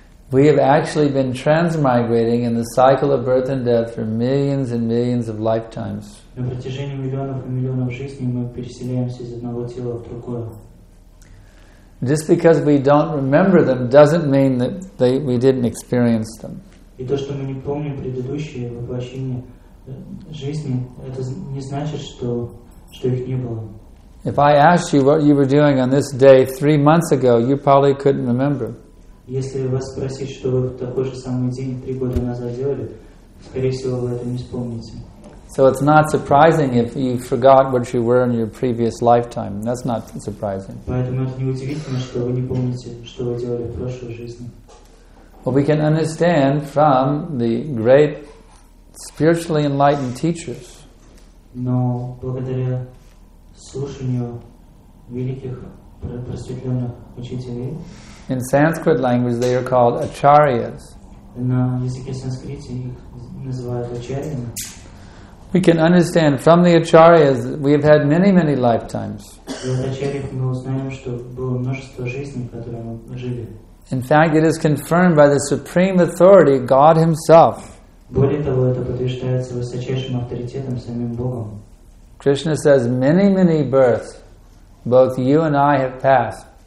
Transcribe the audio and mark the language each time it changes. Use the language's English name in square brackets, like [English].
[English] We have actually been transmigrating in the cycle of birth and death for millions and millions of lifetimes. [Russian] На протяжении миллионов и миллионов жизней мы переселяемся из одного тела в другое. [English] Just because we don't remember them doesn't mean that we didn't experience them. [Russian] И то, что мы не помним предыдущие воплощения жизни, это не значит, что их не было. [English] If I asked you what you were doing on this day 3 months ago, you probably couldn't remember. [Russian] Если вас спросить, что вы в такой же самый день 3 года назад делали, скорее всего, вы это не вспомните. [English] So it's not surprising if you forgot what you were in your previous lifetime. That's not surprising. [Russian] Поэтому это не удивительно, что вы не помните, что вы делали в прошлой жизни. [English] But we can understand from the great spiritually enlightened teachers. [Russian] Но благодаря слушанию великих просветленных учителей. [English] In Sanskrit language they are called acharyas. [Russian] На языке санскрите их называют ачарьями. [English] We can understand from the acharyas that we have had many, many lifetimes. In fact, it is confirmed by the supreme authority, God Himself. Krishna says, many, many births, both you and I have passed.